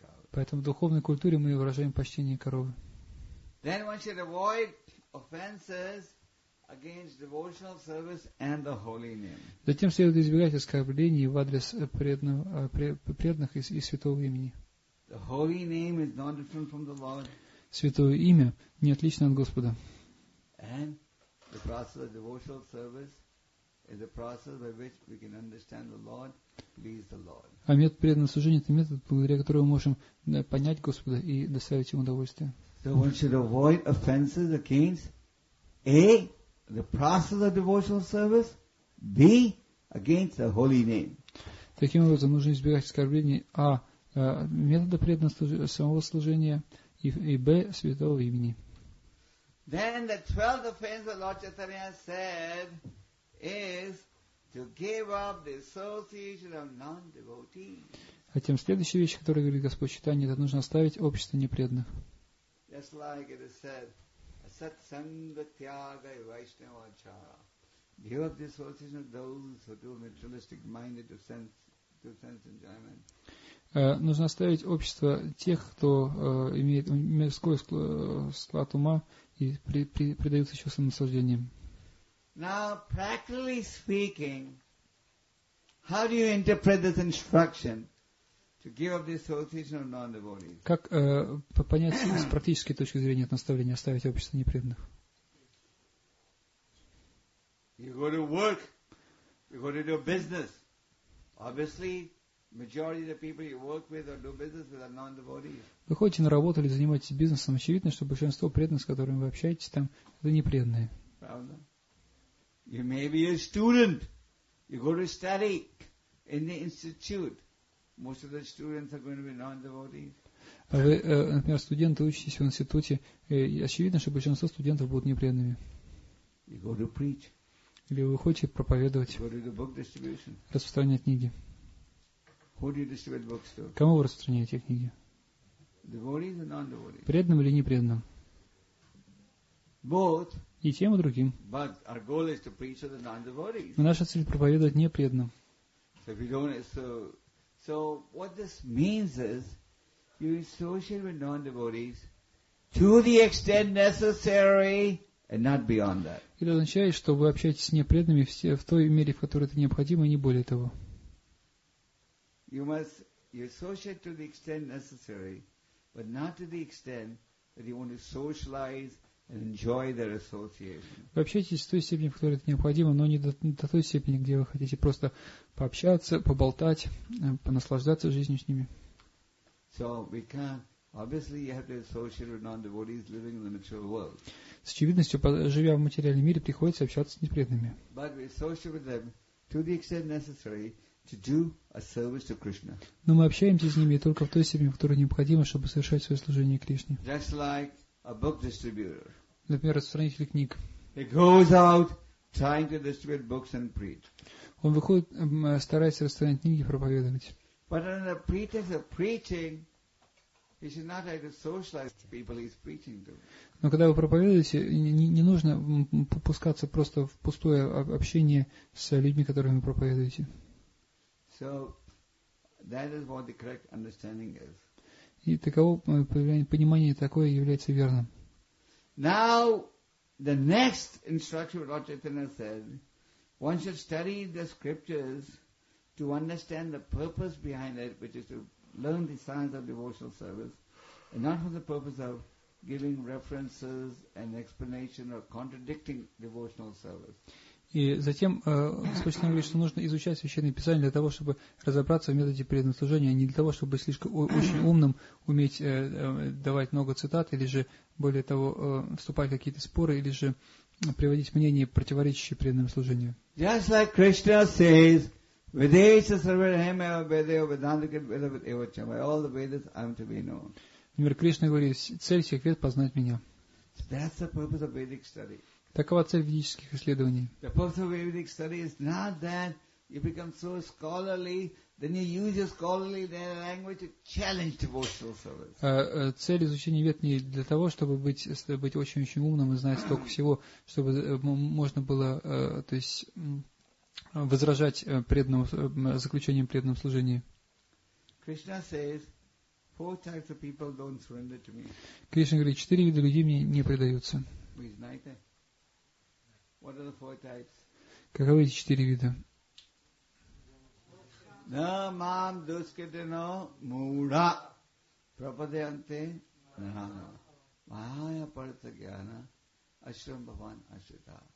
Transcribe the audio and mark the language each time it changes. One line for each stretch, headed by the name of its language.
Russian: Поэтому в духовной культуре мы выражаем почтение коровы.
English: Then one should avoid offenses against devotional service and the holy name.
Russian: Затем следует избегать оскорблений в адрес преданных и святого имени.
English: The holy name is not different from the Lord.
Russian: Святое имя не отлично от Господа.
English: And the process of devotional service is the process by which we can understand the Lord.
Russian: А метод преданного служения – это метод, благодаря которому мы можем понять Господа и доставить Ему удовольствие.
English: So one should avoid offenses against A. the process of devotional service, B. against the holy name.
Russian: Таким образом, нужно избегать оскорблений А. метода преданного самого служения и Б. святого имени.
English: Then the 12th offense that Lord Chaitanya said is to give up the association of non-devotees.
Russian: А тем следующая вещь, которую говорит Господь Читания, это нужно оставить общество непреданных.
English: Just like it is said, asat-sanga-tyaga и vaishnava-chara. Give up the association of those who do materialistic-minded to sense enjoyment.
Russian: Нужно оставить общество тех, кто имеет мирской склад ума и предаются чувствам наслаждения.
English: Now, practically speaking, how do you interpret this instruction to give up the association of non-devotees?
Russian: Как понять с практической точки зрения наставление оставить общество непреданных?
English: You go to work, you go to do business. Obviously, majority of the people you work with or do business with are non-devotees.
Russian: Вы ходите на работу или занимаетесь бизнесом, очевидно, что большинство преданных, с которыми вы общаетесь там, это непреданные. Правда?
English: You may be a student. You go to study in the institute. Most of the students are going to be non-devotees.
Russian: А вы, например, студенты, учитесь в институте. И очевидно, что большинство студентов будут непреданными.
English: You go to preach.
Russian: Или вы хотите проповедовать.
English: You go to the book distribution.
Russian: Распространять книги.
English: Who do you distribute books to?
Russian: Кому вы распространяете книги?
English: Devotees or non-devotees?
Russian: Преданным или непреданным?
English: Both.
Russian: И тем, и другим. Но наша цель – проповедовать непреданным.
English: So what this means is, you associate with non-devotees to the extent necessary and not beyond that.
Russian: Это означает, что вы общаетесь с непреданными в той мере, в которой это необходимо, и не более того.
English: You associate to the extent necessary, but not to the extent that you want to socialize. And enjoy their association.
Russian: Вы общаетесь в той степени, в которой это необходимо, но не до той степени, где вы хотите просто пообщаться, поболтать, понаслаждаться жизнью с ними.
English: So we can't. Obviously, you have to associate with non-devotees living in the material world.
Russian: С очевидностью, живя в материальном мире, приходится общаться с непреданными.
English: But we associate with them to the extent necessary, to do a service to Krishna.
Russian: Но мы общаемся с ними только в той степени, в которой необходимо, чтобы совершать свое служение Кришне.
English: Just like a book distributor.
Russian: Например, распространитель книг.
English: He goes out trying to distribute books and preach.
Russian: Он выходит, старается распространять книги и проповедовать.
English: But under the pretext of preaching, he should not try to socialize the people he's preaching to.
Russian: Но когда вы проповедуете, не нужно пускаться просто в пустое общение с людьми, которыми вы проповедуете.
English: So that is what the correct understanding is.
Russian: И таково понимание такое является верным.
English: Now the next instruction Lord Chaitanya said, one should study the scriptures to understand the purpose behind it, which is to learn the science of devotional service, and not for the purpose of giving references and explanation or contradicting devotional service.
Russian: И затем Господь говорит, что нужно изучать Священное Писание для того, чтобы разобраться в методе преданного служения, а не для того, чтобы быть слишком очень умным, уметь давать много цитат, или же, более того, вступать в какие-то споры, или же приводить мнения, противоречащие преданному служению.
English: Just like Krishna says,
Sanskrit: Vedesa Sarvadhamaya Vedeva Vedantakit Vedavit Evachamaya,
English: all the Vedas I am to be known.
Russian: Например, Кришна говорит, цель всех Вед – познать меня.
English: So that's the purpose of Vedic study.
Russian: Такова цель ведических исследований.
English: The purpose of Vedic study is not that you become so scholarly, then you use your scholarly their language to challenge devotional service.
Russian: Цель изучения Вед не для того, чтобы быть очень-очень умным и знать столько всего, чтобы можно было, то есть, возражать преданному заключением преданного служения.
English: Krishna says, four types of people don't surrender to me.
Russian: Кришна говорит, четыре вида людей мне не предаются. Вы знаете?
English: What are the four types?
Russian: Каковы эти четыре вида? На мам дускетено мура пропадянте нахана майя парта гьяна ашрам бхаван ашрита.